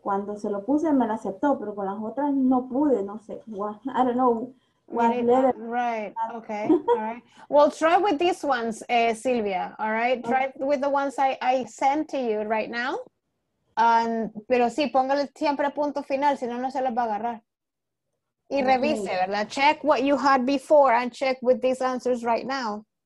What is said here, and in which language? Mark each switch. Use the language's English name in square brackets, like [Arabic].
[Spanish] Cuando se lo puse, me lo aceptó, pero con las otras no pude, no sé. [English] What, I don't know. What letter. Right, okay, all right. Well, try with these ones, Silvia, all right? Okay. Try with the ones I sent to you right now. [Spanish] Pero sí, póngale siempre punto final, si no, no se los va a agarrar. Y revise, okay. ¿Verdad? [English] Check what you had before and check with these answers right now.